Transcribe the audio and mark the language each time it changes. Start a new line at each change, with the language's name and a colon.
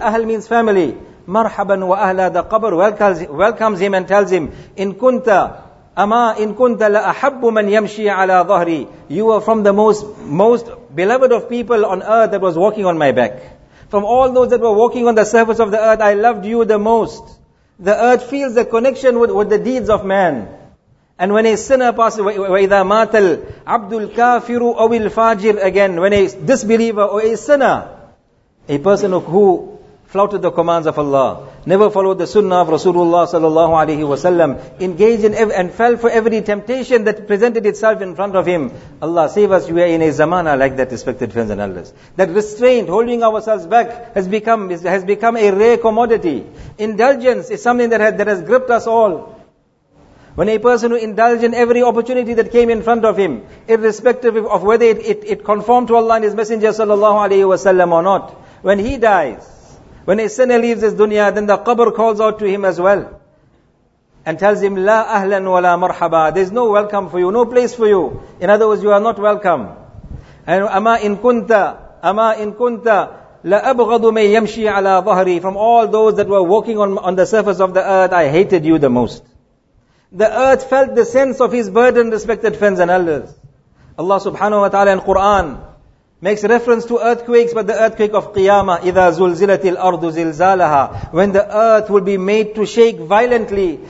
English: Ahl means family.
Arabic: Marhaban wa ahla.
English: The qabr welcomes him and tells him,
Arabic: In kunta la ahabbu man yamshi ala dhahri.
English: You are from the most beloved of people on earth that was walking on my back. From all those that were walking on the surface of the earth, I loved you the most. The earth feels the connection with the deeds of man. And when a sinner passes,
Arabic: وَإِذَا مَاتَ الْعَبْدُ الْكَافِرُ أَوِ الْفَاجِرُ.
English: Again, when a disbeliever or a sinner, a person who flouted the commands of Allah, never followed the sunnah of Rasulullah sallallahu alayhi wa sallam, engaged in and fell for every temptation that presented itself in front of him. Allah save us, we are in a zamana like that, respected friends and elders. That restraint, holding ourselves back, has become a rare commodity. Indulgence is something that has gripped us all. When a person who indulged in every opportunity that came in front of him, irrespective of whether it conformed to Allah and his messenger sallallahu alayhi wa sallam or not, when he dies, when a sinner leaves this dunya, then the qabr calls out to him as well and tells him,
Arabic: لا أهلا ولا مرحبا.
English: There's no welcome for you, no place for you. In other words, you are not welcome.
Arabic: And أما إن كنت لأبغض من يمشي على ظهري.
English: From all those that were walking on the surface of the earth, I hated you the most. The earth felt the sense of his burden, respected friends and elders. Allah subhanahu wa ta'ala in Quran makes reference to earthquakes, but the earthquake of Qiyamah,
Arabic: إِذَا زُلْزِلَتِ الْأَرْضُ زِلْزَالَهَا,
English: when the earth will be made to shake violently.